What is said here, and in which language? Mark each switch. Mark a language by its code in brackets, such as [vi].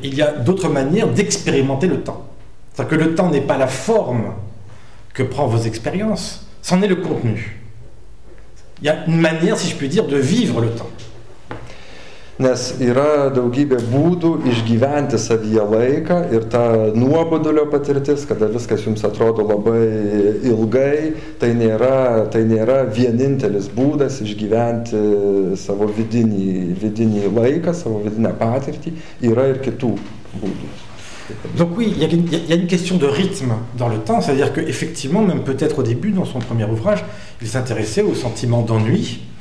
[fr] Il y a d'autres manières d'expérimenter le temps. C'est-à-dire que le temps n'est pas la forme que prend vos expériences, c'en est le contenu. Il y a une manière, si je puis dire, de vivre le temps. [lt] Nes yra daugybė būdų išgyventi savyje laiką ir ta nuobodulio patirtis, kada viskas jums atrodo labai ilgai, tai nėra vienintelis būdas išgyventi savo vidinį laiką, savo vidinę patirtį, yra ir kitų būdų. [fr] Donc oui, il y a une question de rythme dans le temps, c'est-à-dire que effectivement, même peut-être au début dans son premier ouvrage, il s'intéressait au sentiment d'ennui.